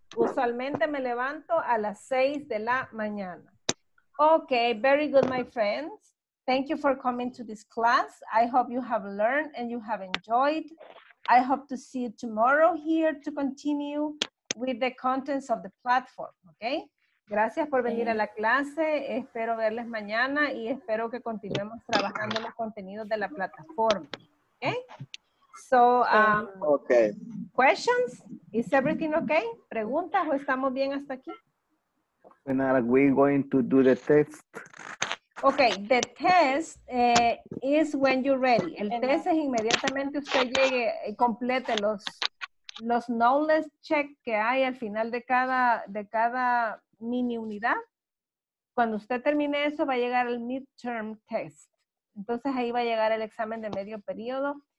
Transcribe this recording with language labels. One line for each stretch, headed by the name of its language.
Spanish: Usualmente me levanto a las 6 de la mañana.
English: Okay, very good, my friends. Thank you for coming to this class. I hope you have learned and you have enjoyed. I hope to see you tomorrow here to continue with the contents of the platform, okay?
Spanish: Gracias por venir a la clase. Espero verles mañana y espero que continuemos trabajando los contenidos de la plataforma, okay?
English: So, questions? Is everything okay?
Spanish: ¿Preguntas o estamos bien hasta aquí?
English: When are we going to do the test? Okay, the test is when you're ready.
Spanish: El test es inmediatamente usted llegue y complete los knowledge check que hay al final de cada mini unidad. Cuando usted termine eso, va a llegar el midterm test. Entonces ahí va a llegar el examen de medio periodo.